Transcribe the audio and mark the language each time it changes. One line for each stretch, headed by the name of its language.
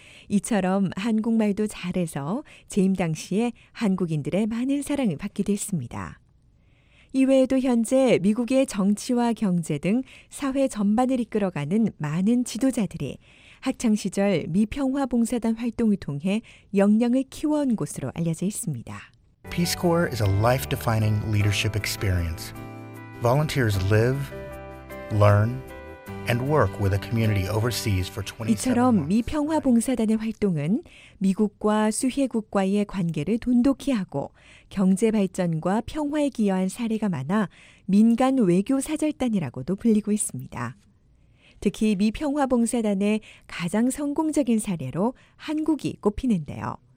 Korean: 이처럼 한국말도 잘해서 재임 당시에 한국인들의 많은 사랑을 받기도 했습니다. 이외에도 현재 미국의 정치와 경제 등 사회 전반을 이끌어가는 많은 지도자들이 학창시절 미평화봉사단 활동을 통해 역량을 키워온 것으로 알려져 있습니다.
English: Peace Corps is a life-defining leadership experience. Volunteers live, learn, and work with a community overseas for 27 months.
Korean: 이처럼 미평화봉사단의 활동은 미국과 수혜국과의 관계를 돈독히 하고 경제 발전과 평화에 기여한 사례가 많아 민간 외교 사절단이라고도 불리고 있습니다. 특히 미 평화봉사단의 가장 성공적인 사례로 한국이 꼽히는데요.